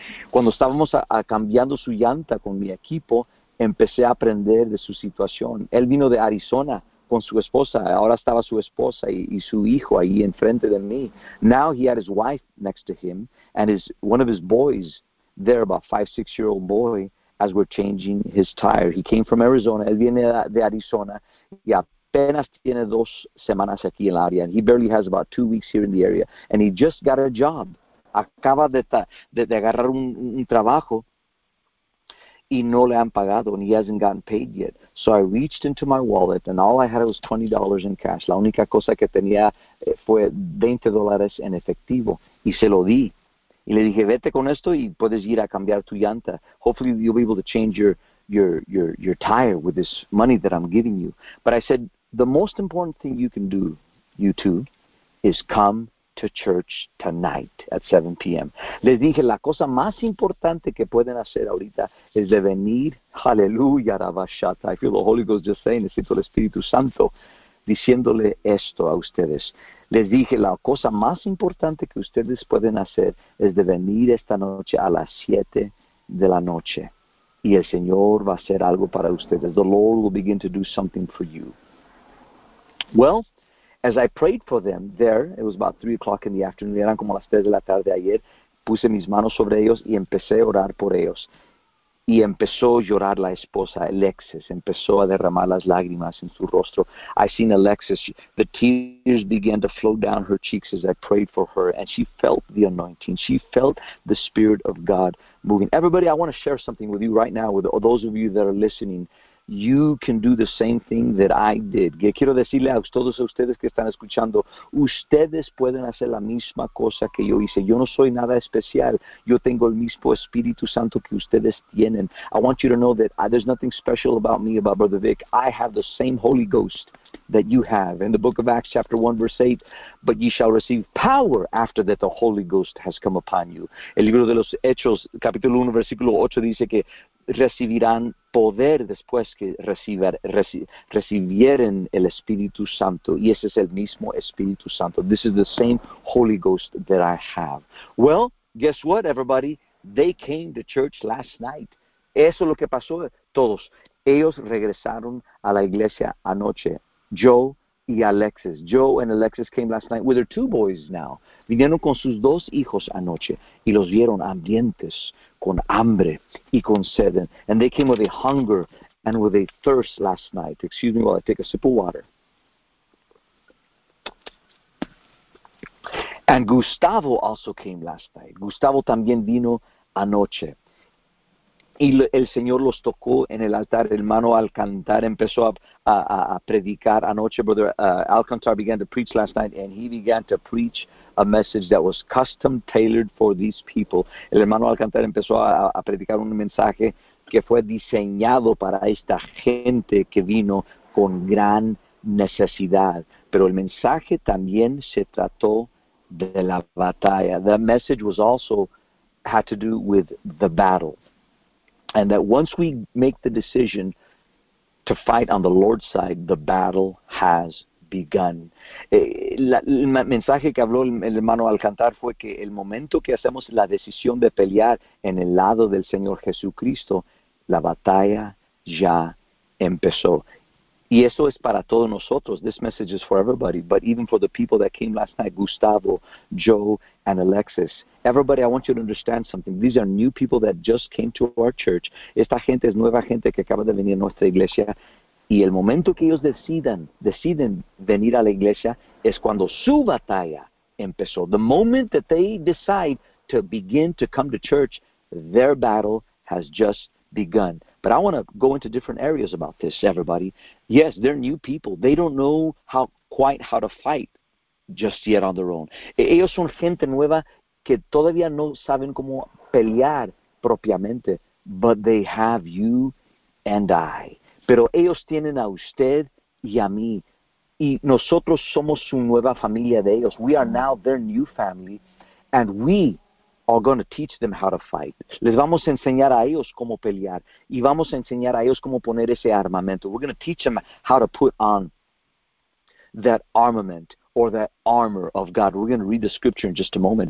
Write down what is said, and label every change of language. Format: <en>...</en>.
<es>Cuando estábamos cambiando su llanta con mi equipo, empecé a aprender de su situación. Él vino de Arizona con su esposa. Ahora estaba su esposa y su hijo ahí enfrente de mí.</es> <en>Now he had his wife next to him and one of his boys there, about 5-6-year-old boy, as we're changing his tire. He came from Arizona.</en> <es>Él viene de Arizona.</es> <en>Yeah.</en> <es>Apenas tiene 2 semanas aquí en la área.</es> <en>And he barely has about 2 weeks here in the area. And he just got a job.</en> <es>Acaba de agarrar un trabajo. Y no le han pagado.</es> <en>And he hasn't gotten paid yet. So I reached into my wallet. And all I had was $20 in cash.</en> <es>La única cosa que tenía fue $20 en efectivo. Y se lo di. Y le dije, vete con esto y puedes ir a cambiar tu llanta.</es> <en>Hopefully you'll be able to change your tire with this money that I'm giving you. But I said, the most important thing you can do, you two, is come to church tonight at 7 p.m.</en> <es>Les dije, la cosa más importante que pueden hacer ahorita es de venir, hallelujah, rabashata.</es> <en>I feel the Holy Ghost just saying,</en> <es>necesito el Espíritu Santo, diciéndole esto a ustedes. Les dije, la cosa más importante que ustedes pueden hacer es de venir esta noche a las 7 de la noche. Y el Señor va a hacer algo para ustedes.</es> <en>The Lord will begin to do something for you. Well, as I prayed for them there, it was about 3 o'clock in the afternoon,</en> <es>eran como las 3 de la tarde ayer, puse mis manos sobre ellos y empecé a orar por ellos. Y empezó a llorar la esposa, Alexis, empezó a derramar las lágrimas en su rostro.</es> <en>I seen Alexis, the tears began to flow down her cheeks as I prayed for her, and she felt the anointing. She felt the Spirit of God moving. Everybody, I want to share something with you right now, with those of you that are listening. You can do the same thing that I did.</en> <es>Que quiero decirle a todos ustedes que están escuchando, ustedes pueden hacer la misma cosa que yo hice. Yo no soy nada especial. Yo tengo el mismo Espíritu Santo que ustedes tienen.</es> <en>I want you to know that there's nothing special about me, about Brother Vic. I have the same Holy Ghost that you have. In the book of Acts chapter 1 verse 8, but ye shall receive power after that the Holy Ghost has come upon you.</en> <es>El libro de los Hechos capítulo 1 versículo 8 dice que recibirán poder después que recibieren el Espíritu Santo. Y ese es el mismo Espíritu Santo.</es> <en>This is the same Holy Ghost that I have. Well, guess what, everybody? They came to church last night.</en> <es>Eso es lo que pasó todos. Ellos regresaron a la iglesia anoche. Joe y Alexis.</es> <en>Joe and Alexis came last night with their 2 boys now.</en> <es>Vinieron con sus 2 hijos anoche y los vieron hambrientos, con hambre y con sed.</es> <en>And they came with a hunger and with a thirst last night. Excuse me while I take a sip of water. And Gustavo also came last night.</en> <es>Gustavo también vino anoche. Y el Señor los tocó en el altar. El hermano Alcántara empezó a predicar anoche.</es> <en>Brother Alcántara began to preach last night, and he began to preach a message that was custom tailored for these people.</en> <es>El hermano Alcántara empezó a predicar un mensaje que fue diseñado para esta gente que vino con gran necesidad. Pero el mensaje también se trató de la batalla.</es> <en>That message was also had to do with the battle. And that once we make the decision to fight on the Lord's side, the battle has begun.</en> <es>El mensaje que habló el hermano Alcántara fue que el momento que hacemos la decisión de pelear en el lado del Señor Jesucristo, la batalla ya empezó. Y eso es para todos nosotros.</es> <en>This message is for everybody, but even for the people that came last night, Gustavo, Joe, and Alexis. Everybody, I want you to understand something. These are new people that just came to our church.</en> <es>Esta gente es nueva gente que acaba de venir a nuestra iglesia. Y el momento que ellos deciden venir a la iglesia, es cuando su batalla empezó.</es> <en>The moment that they decide to begin to come to church, their battle has just begun. But I want to go into different areas about this, everybody. Yes, they're new people. They don't know how to fight just yet on their own.</en> <es>Ellos son gente nueva que todavía no saben cómo pelear propiamente,</es> <en>but they have you and I.</en> <es>Pero ellos tienen a usted y a mí. Y nosotros somos su nueva familia de ellos.</es> <en>We are now their new family, and we are going to teach them how to fight.</en> <es>Les vamos a enseñar a ellos cómo pelear y vamos a enseñar a ellos cómo poner ese armamento.</es> <en>We're going to teach them how to put on that armament or that armor of God. We're going to read the scripture in just a moment.</en>